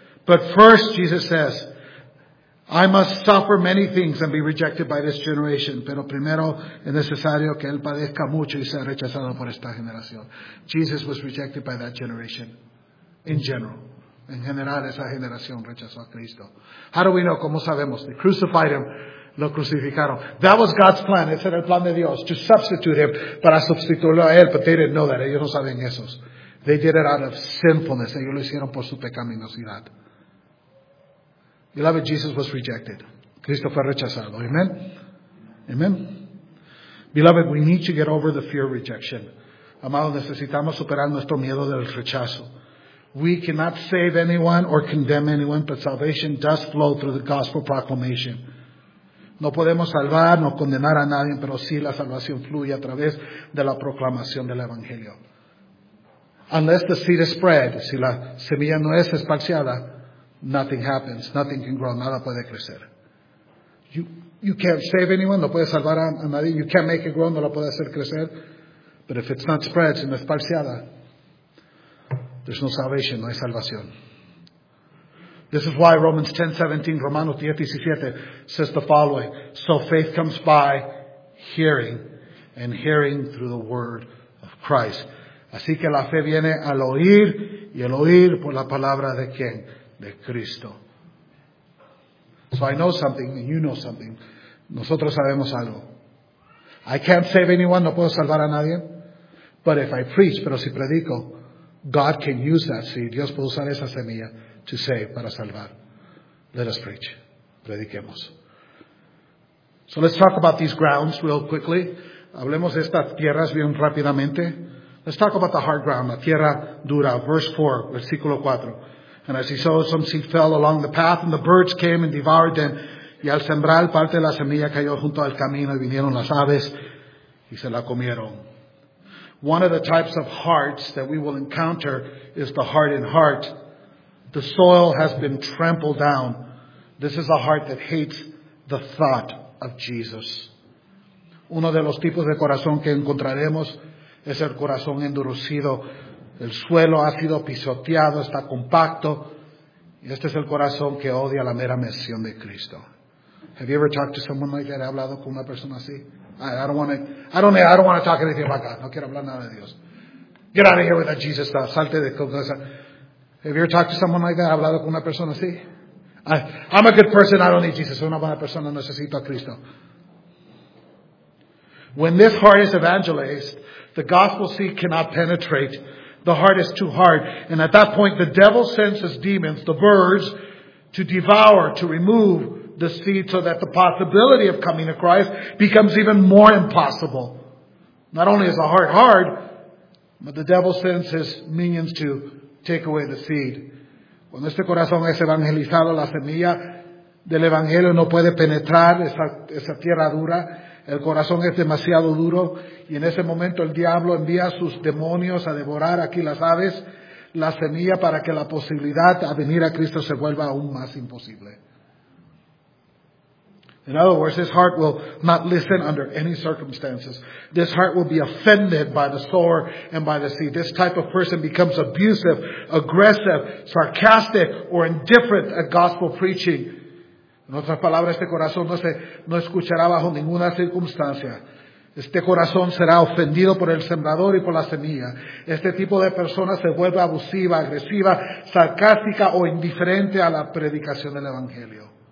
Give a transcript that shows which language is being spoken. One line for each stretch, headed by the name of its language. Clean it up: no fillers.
English: But first, Jesus says, I must suffer many things and be rejected by this generation.
Spanish: Pero primero es necesario que él padezca mucho y sea rechazado por esta generación.
English: Jesus was rejected by that generation. In general.
Spanish: En general, esa generación rechazó a Cristo.
English: How do we know?
Spanish: ¿Cómo sabemos?
English: They crucified him.
Spanish: Lo crucificaron.
English: That was God's plan.
Spanish: Ese era el plan de Dios.
English: To substitute him.
Spanish: Para sustituirlo a él.
English: But they didn't know that.
Spanish: Ellos no saben esos.
English: They did it out of sinfulness.
Spanish: Ellos lo hicieron por su pecaminosidad.
English: Beloved, Jesus was rejected.
Spanish: Cristo fue rechazado.
English: Amen? Amen? Beloved, we need to get over the fear of rejection.
Spanish: Amado, necesitamos superar nuestro miedo del rechazo.
English: We cannot save anyone or condemn anyone, but salvation does flow through the gospel proclamation.
Spanish: No podemos salvar, no condenar a nadie, pero sí la salvación fluye a través de la proclamación del Evangelio.
English: Unless the seed is spread,
Spanish: si la semilla no es esparciada,
English: nothing happens, nothing can grow,
Spanish: nada puede crecer.
English: You can't save anyone,
Spanish: no puede salvar a nadie,
English: you can't make it grow,
Spanish: no lo puede hacer crecer.
English: But if it's not spread,
Spanish: si no es esparciada,
English: there's no salvation,
Spanish: no hay salvación.
English: This is why Romanos 10:17 says the following. So faith comes by hearing, and hearing through the word of Christ.
Spanish: Así que la fe viene al oír, y el oír por la palabra de quién? De Cristo.
English: So I know something, and you know something.
Spanish: Nosotros sabemos algo.
English: I can't save anyone,
Spanish: no puedo salvar a nadie.
English: But if I preach,
Spanish: pero si predico,
English: God can use that seed.
Spanish: Dios puede usar esa semilla
English: to save,
Spanish: para salvar.
English: Let us preach.
Spanish: Prediquemos.
English: So let's talk about these grounds real quickly.
Spanish: Hablemos de estas tierras bien rápidamente.
English: Let's talk about the hard ground,
Spanish: la tierra dura.
English: Verse 4,
Spanish: versículo 4.
English: And as he sowed, some seed fell along the path, and the birds came and devoured them.
Spanish: Y al sembrar, parte de la semilla cayó junto al camino, y vinieron las aves, y se la comieron.
English: One of the types of hearts that we will encounter is the hardened heart. The soil has been trampled down. This is a heart that hates the thought of Jesus.
Spanish: Uno de los tipos de corazón que encontraremos es el corazón endurecido. El suelo ha sido pisoteado, está compacto. Este es el corazón que odia la mera mención de Cristo.
English: Have you ever talked to someone like that?
Spanish: ¿Ha hablado con una persona así?
English: I don't want to talk anything about God.
Spanish: No quiero hablar nada de Dios.
English: Get out of here with that Jesus stuff.
Spanish: Salte de cosas.
English: Have you ever talked to someone like that?
Spanish: ¿Ha hablado con una persona así?
English: I'm a good person. I don't need Jesus.
Spanish: Soy una buena persona. Necesito a Cristo.
English: When this heart is evangelized, the gospel seed cannot penetrate. The heart is too hard. And at that point, the devil sends his demons, the birds, to devour, to remove the seed so that the possibility of coming to Christ becomes even more impossible. Not only is the heart hard, but the devil sends his minions to take away the seed.
Spanish: Cuando este corazón es evangelizado, la semilla del evangelio no puede penetrar esa tierra dura. El corazón es demasiado duro, y en ese momento el diablo envía a sus demonios a devorar aquí las aves, la semilla, para que la posibilidad de venir a Cristo se vuelva aún más imposible.
English: In other words, this heart will not listen under any circumstances. This heart will be offended by the sower and by the seed. This type of person becomes abusive, aggressive, sarcastic, or indifferent at gospel preaching.
Spanish: En otras palabras, este corazón no escuchará bajo ninguna circunstancia. Este corazón será ofendido por el sembrador y por la semilla. Este tipo de persona se vuelve abusiva, agresiva, sarcástica o indiferente a la predicación del Evangelio.